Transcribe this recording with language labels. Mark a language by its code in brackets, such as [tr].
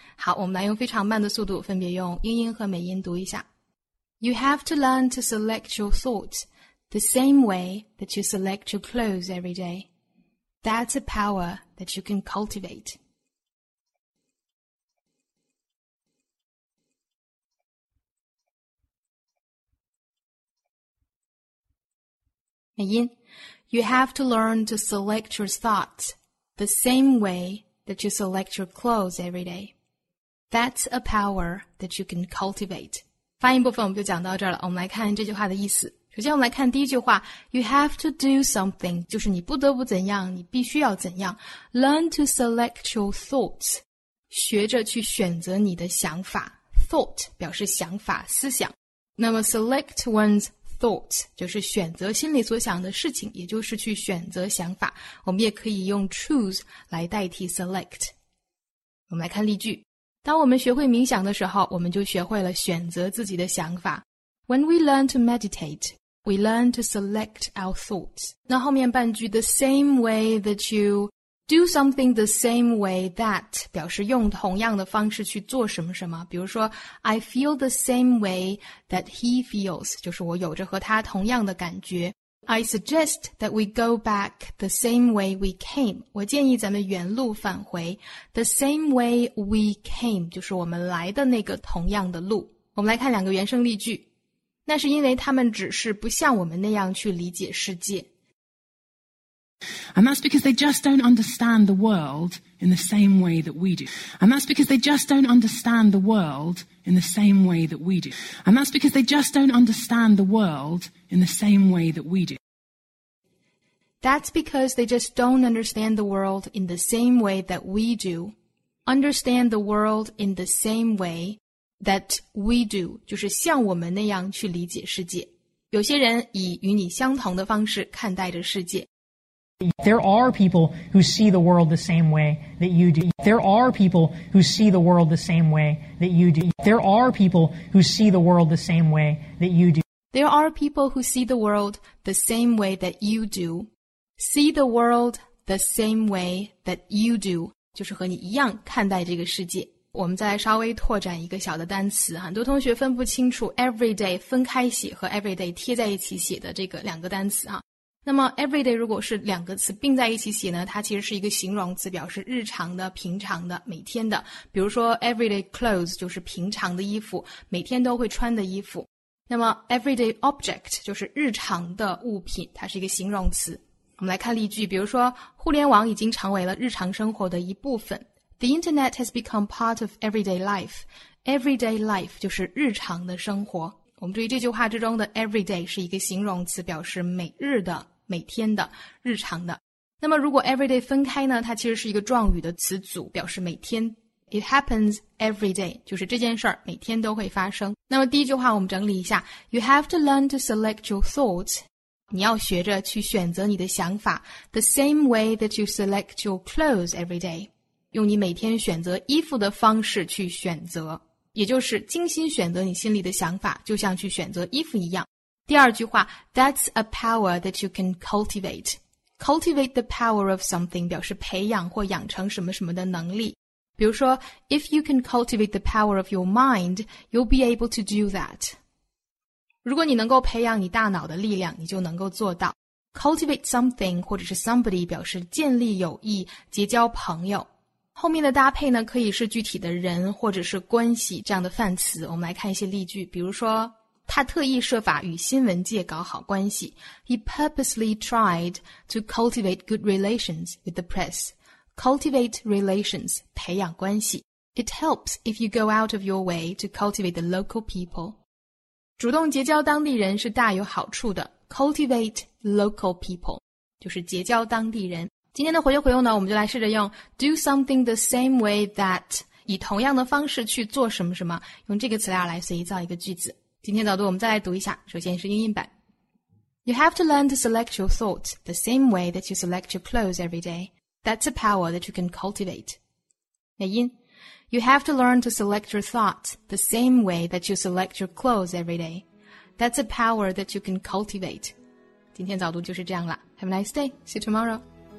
[zh] 好，我们来用非常慢的速度分别用英音和美音读一下。 [en] You have to learn to select your thoughts the same way that you select your clothes every day. That's a power that you can cultivate. [zh] 美音， [en] You have to learn to select your thoughts the same way that you select your clothes every day. That's a power that you can cultivate. [zh] 发音部分我们就讲到这儿了，我们来看这句话的意思。首先我们来看第一句话， [en] You have to do something, [zh] 就是你不得不怎样，你必须要怎样。 [en] Learn to select your thoughts, [zh] 学着去选择你的想法。 Thought 表示想法、思想。那么 [en] select one'sThought [zh] 就是选择心里所想的事情，也就是去选择想法。我们也可以用 choose 来代替 select。我们来看例句，当我们学会冥想的时候，我们就学会了选择自己的想法。 [en] When we learn to meditate, we learn to select our thoughts. [zh] 那后面半句 [en] The same way that [zh] you do something the same way that 表示用同样的方式去做什么什么，比如说 [en] I feel the same way that he feels， [zh] 就是我有着和他同样的感觉。 [en] I suggest that we go back the same way we came， [zh] 我建议咱们原路返回。 [en] The same way we came [zh] 就是我们来的那个同样的路。我们来看两个原声例句，那是因为他们只是不像我们那样去理解世界。 [en] And that's because they just don't understand the world in the same way that we do. And that's because they just don't understand the world in the same way that we do. And that's because they just don't understand the world in the same way that we do. That's because they just don't understand the world in the same way that we do. Understand the world in the same way that we do, [zh] 就是像我们那样去理解世界。有些人以与你相同的方式看待着世界。 [en] There are people who see the world the same way that you do. There are people who see the world the same way that you do. There are people who see the world the same way that you do. There are people who see the world the same way that you do. See the world the same way that you do. [zh] 就是和你一样看待这个世界。我们再稍微拓展一个小的单词，很多同学分不清楚 everyday 分开写和 everyday 贴在一起写的这个两个单词啊。那么 everyday 如果是两个词并在一起写呢，它其实是一个形容词，表示日常的、平常的、每天的。比如说 everyday clothes 就是平常的衣服，每天都会穿的衣服。那么 everyday object 就是日常的物品，它是一个形容词。我们来看例句，比如说互联网已经成为了日常生活的一部分。 [en] The internet has become part of everyday life. [zh] Everyday life 就是日常的生活。我们注意这句话之中的 everyday 是一个形容词，表示每日的、每天的、日常的。那么如果 everyday 分开呢，它其实是一个状语的词组，表示每天。 [en] It happens every day, [zh] 就是这件事儿每天都会发生。那么第一句话我们整理一下， [en] You have to learn to select your thoughts. [zh] 你要学着去选择你的想法。 [en] The same way that you select your clothes every day. [zh] 用你每天选择衣服的方式去选择，也就是精心选择你心里的想法，就像去选择衣服一样。第二句话 [en] That's a power that you can cultivate. Cultivate the power of something [zh] 表示培养或养成什么什么的能力。 [en] 比如说 If you can cultivate the power of your mind, you'll be able to do that. [zh] 如果你能够培养你大脑的力量，你就能够做到。 [en] Cultivate something [zh] 或者是 somebody 表示建立友谊，结交朋友。后面的搭配呢，可以是具体的人或者是关系这样的范词。我们来看一些例句，比如说，他特意设法与新闻界搞好关系。 [en] He purposely tried to cultivate good relations with the press. Cultivate relations, [zh] 培养关系。 [en] It helps if you go out of your way to cultivate the local people. [zh] 主动结交当地人是大有好处的。 Cultivate local people, 就是结交当地人。今天的活学活用呢，我们就来试着用 [en] do something the same way that [zh] 以同样的方式去做什么什么，用这个词料来随意造一个句子。今天早读我们再来读一下，首先是英音版。 [en] You have to learn to select your thoughts the same way that you select your clothes every day. That's a power that you can cultivate. [zh] 美音。 [en] You have to learn to select your thoughts the same way that you select your clothes every day. That's a power that you can cultivate. [zh] 今天早读就是这样了。 [en] Have a nice day. See you tomorrow.